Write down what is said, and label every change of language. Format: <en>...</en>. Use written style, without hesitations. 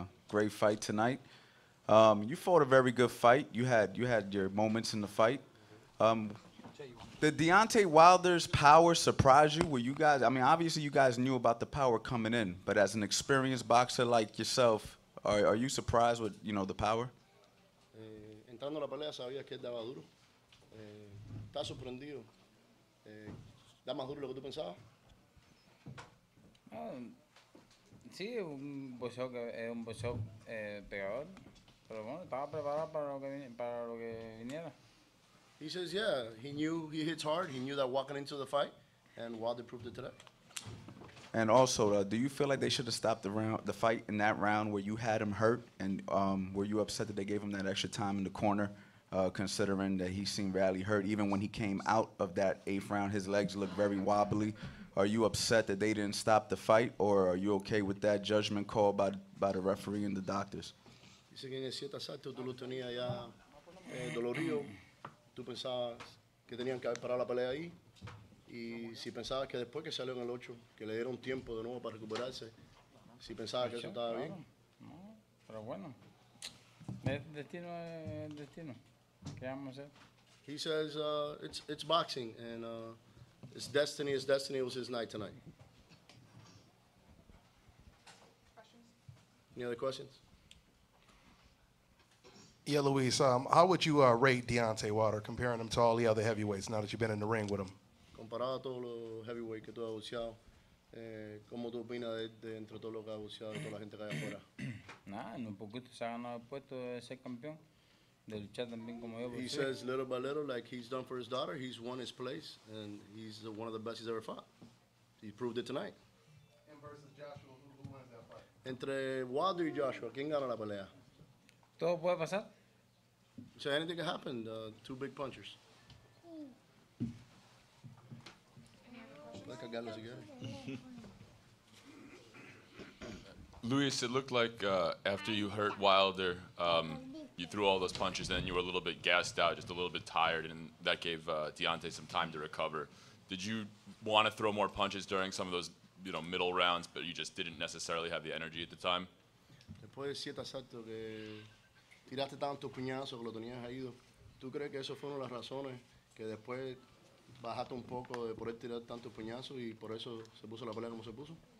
<en>Great fight tonight. You fought a very good fight. You had your moments in the fight. Did Deontay Wilder's power surprise you? Were you guys, I mean, obviously you guys knew about the power coming in, but as an experienced boxer like yourself, are you surprised with, you know, the power?</en> <es>Entrando a la pelea sabía que él daba duro. Está sorprendido. Da más duro lo que tú pensabas. Sí, un boxeo que es un boxeo pegador, pero bueno, estaba preparado para lo que viniera.</es> <en>He says, yeah, he knew he hits hard. He knew that walking into the fight, and Wilder proved it today. And also, do you feel like they should have stopped the round, the fight in that round where you had him hurt? And were you upset that they gave him that extra time in the corner, considering that he seemed badly hurt? Even when he came out of that eighth round, his legs looked very wobbly. Are you upset that they didn't stop the fight, or are you okay with that judgment call by the referee and the doctors?</en> <es>Dice que en el 7 asalto tú lo tenías ya dolorido. Tú pensabas que tenían que haber parado la pelea ahí. Y si pensabas que después que salió en el 8, que le dieron tiempo de nuevo para recuperarse, si pensabas que eso estaba bien. No, pero bueno. Destino es destino. ¿Qué vamos a hacer?</es> <en>He says it's boxing and it's destiny. It's destiny. It was his night tonight. Questions? Any other questions? Yeah, Luis, how would you rate Deontay Wilder, comparing him to all the other heavyweights, now that you've been in the ring with him?</en> <es>Comparado a todos los heavyweights que tú has boxeado, ¿cómo tú opinas de entre todos los que has boxeado y toda la gente que hay afuera? Nah, en un poquito se ha ganado el puesto de ser campeón, de luchar también como yo.</es> <en>He says little by little, like he's done for his daughter, he's won his place, and he's one of the best he's ever fought. He proved it tonight. And versus Joshua, who wins that fight?</en> <es>Entre Wilder y Joshua, ¿quién gana la pelea? Todo puede pasar.</es> <en>So anything can happen, two big punchers. Luis, it looked like after you hurt Wilder, you threw all those punches and then you were a little bit gassed out, just a little bit tired, and that gave Deontay some time to recover. Did you want to throw more punches during some of those, you know, middle rounds, but you just didn't necessarily have the energy at the time?</en> <es>Después de siete asaltos que tiraste tantos puñazos que lo tenías caído, ¿tú crees que eso fue una de las razones que después bajaste un poco de por él tirar tantos puñazos y por eso se puso la pelea como se puso?</es>